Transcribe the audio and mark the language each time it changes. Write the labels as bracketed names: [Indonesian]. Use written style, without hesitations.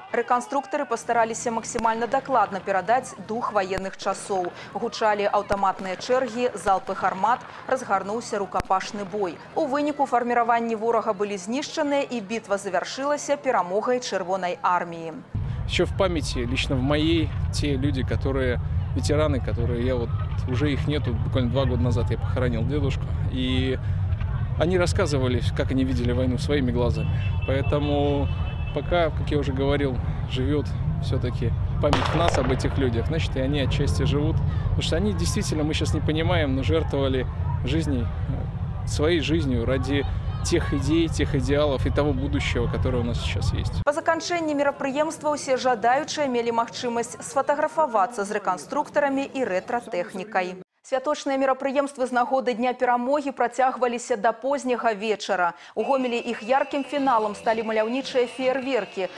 [Belarusian] Рэканструктары пастараліся максімальна дакладна перадаць дух ваенных часоў. Гучалі аўтаматныя чэргі, залпы гармат, разгарнуўся рукапашны бой. У выніку фарміраванні ворага былі знішчаныя, і бітва завершылася перамогай чырвонай арміі. [Russian] Ещё в памяти, лично в моей, те люди, которые ветераны, которые я вот уже их нету, буквально 2 года назад я похоронил дедушку, и они рассказывали, как они видели войну своими глазами. Поэтому пока, как я уже говорил, живет все-таки память нас об этих людях, значит, и они отчасти живут. Потому что они действительно, мы сейчас не понимаем, но жертвовали жизнью, своей жизнью ради тех ідей, тех [Belarusian] ідэалаў і таго будучага, каторае ў нас [Russian] сейчас ёсць. [Belarusian] Па заканчэнні мерапрыемства ўсе жадаючыя мелі магчымасць сфатаграфавацца з рэканструктарамі і рэтратэхнікай. Святочныя мерапрыемствы з нагоды Дня перамогі працягваліся да позняга вечара. У Гомелі іх яркім фіналам сталі маляўнічыя феерверкі.